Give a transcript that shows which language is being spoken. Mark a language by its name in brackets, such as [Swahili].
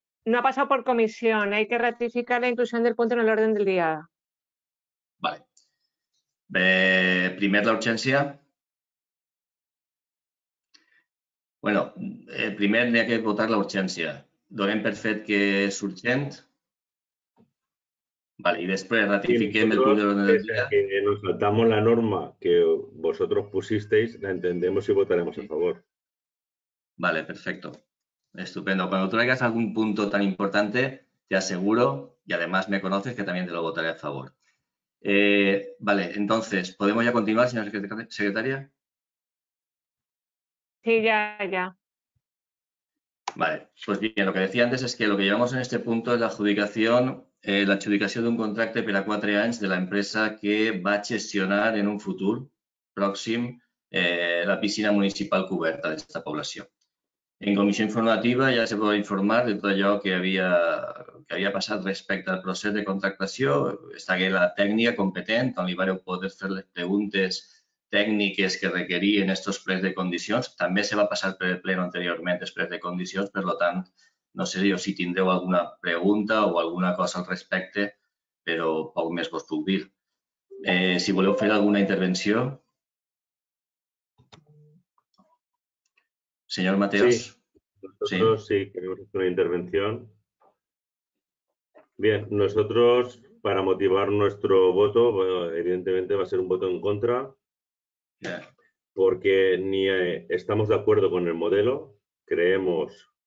[Catalan] No ha passat per comissió, [Spanish] hay que ratificar [Catalan] la inclusió del punt en l'ordre del dia. Vale. Bé, primer l'urgència. Bueno, primer n'hi ha que votar l'urgència. Donem per fet que és urgent. [Spanish] Vale, y después ratifiquemos el punto de orden del día. Que nos saltamos la norma que vosotros pusisteis, la entendemos y votaremos a favor. Vale, perfecto. Estupendo. Cuando traigas algún punto tan importante, te aseguro, y además me conoces, que también te lo votaré a favor. Vale, entonces, ¿podemos ya continuar, señora secretaria? Sí, ya. Vale, pues bien, lo que decía antes es que lo que llevamos en este punto es la adjudicación... [Catalan] l'adjudicació d'un contracte per a 4 anys de l'empresa que va gestionar en un futur pròxim la piscina municipal coberta d'aquesta població. En comissió informativa ja es va informar de tot allò que havia passat respecte al procés de contractació. Estava la tècnica competent, on li vareu poder fer les preguntes tècniques que requerien aquests plecs de condicions. També se va passar per el pleno anteriorment els plecs de condicions, per tant, no sé jo si tindreu alguna pregunta o alguna cosa al respecte, però poc més vos puc dir. Si voleu fer alguna intervenció. Senyor Mateos. [Spanish] Sí, nosotros sí, queremos hacer una intervención. Bien, nosotros, para motivar nuestro voto, evidentemente va a ser un voto en contra, porque ni estamos de acuerdo con el modelo, creemos...